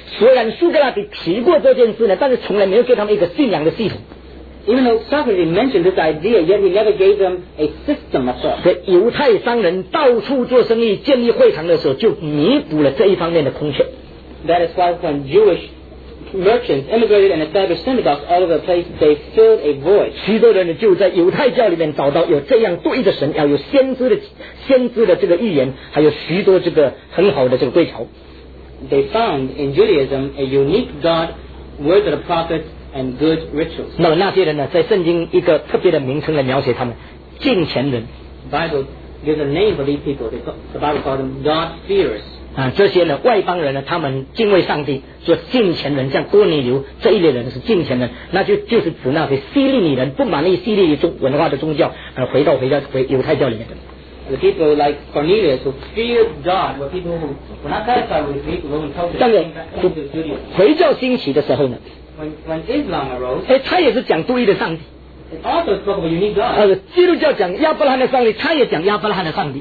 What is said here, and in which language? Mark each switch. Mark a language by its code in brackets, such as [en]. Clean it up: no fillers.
[zh] 虽然苏格拉底提过这件事呢，但是从来没有给他们一个信仰的系统。 [en] Even though Socrates mentioned this idea, yet he never gave them a system of thought. [zh] 在犹太商人到处做生意、建立会堂的时候，就弥补了这一方面的空缺。 [en] That is why when Jewish merchants immigrated and established synagogues all over the place, they filled a void. [zh] 许多人就在犹太教里面找到有这样对的神，要有先知的这个预言，还有许多这个很好的这个对照。 [en] They found in Judaism a unique God, word of the prophets, and good rituals. [zh] 那么那些人呢，在圣经一个特别的名称来描写他们，敬虔人。 [en] Bible gives a name for these people. The Bible calls them God-fearers. [zh] 啊，这些呢，外邦人呢，他们敬畏上帝，说敬虔人，像哥尼流这一类人是敬虔人，那就是指那些希利尼人不满意希利尼文化的宗教，而回犹太教里面的。 [en] The people like Cornelius who feared God were people who were not satisfied with the Roman culture. [zh] 但是，回教兴起的时候呢 [en] ，When Islam arose, [zh] 他也是讲独一的上帝。 [en] It also spoke of a unique God. [zh] 基督教讲亚伯拉罕的上帝，他也讲亚伯拉罕的上帝。